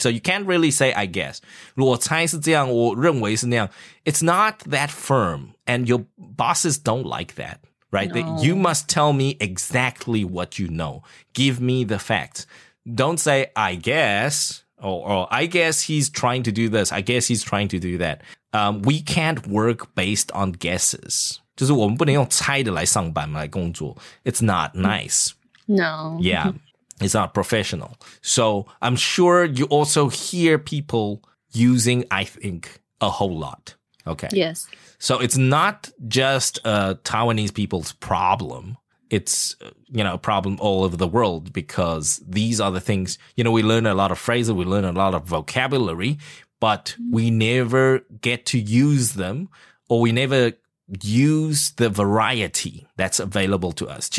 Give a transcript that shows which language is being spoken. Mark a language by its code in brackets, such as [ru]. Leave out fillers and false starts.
[en] So you can't really say I guess. [zh] 如果猜是这样,我认为是那样, [en] it's not that firm. And your bosses don't like that. Right? No. You must tell me exactly what you know. Give me the facts. Don't say, I guess, or I guess he's trying to do this. I guess he's trying to do that. We can't work based on guesses. [zh] 就是我们不能用猜的来上班来工作。 [en] It's not nice. No. Yeah. It's not professional. So I'm sure you also hear people using, I think, a whole lot. Okay. Yes. So it's not just a Taiwanese people's problem. It's, you know, a problem all over the world because these are the things, you know, we learn a lot of phrases, we learn a lot of vocabulary, but we never get to use them or we never use the variety that's available to us.